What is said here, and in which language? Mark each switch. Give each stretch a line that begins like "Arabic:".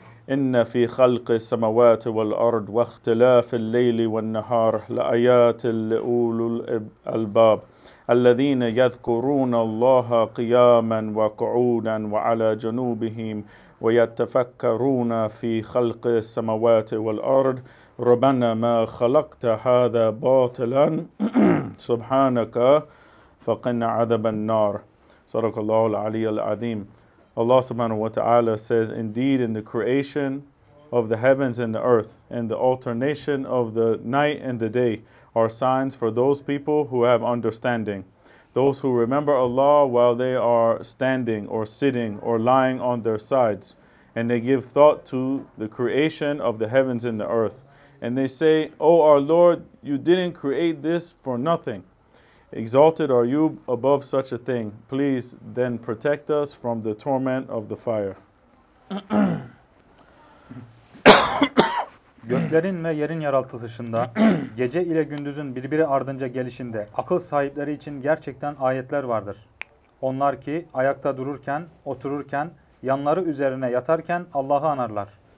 Arabic: إن في خلق السماوات والأرض واختلاف الليل والنهار لآيات لأولي الألباب الذين يذكرون الله قياما وقعودا وعلى جنوبهم ويتفكرون في خلق السماوات والأرض ربنا ما خلقت هذا باطلا سبحانك فقنا عذاب النار. Sadaqallahu al-Ali al-Azim.
English: Allah subhanahu wa ta'ala says, indeed, in the creation of the heavens and the earth, and the alternation of the night and the day, are signs for those people who have understanding. Those who remember Allah while they are standing or sitting or lying on their sides, and they give thought to the creation of the heavens and the earth. And they say, O our Lord, you didn't create this for nothing. Exalted are you above such a thing. Please then protect us from the torment of the fire.
Turkish: Göklerin ve yerin yaratılışında, gece ile gündüzün birbiri ardınca gelişinde, akıl sahipleri için gerçekten ayetler vardır. Onlar ki ayakta dururken, otururken, yanları üzerine yatarken Allah'ı anarlar.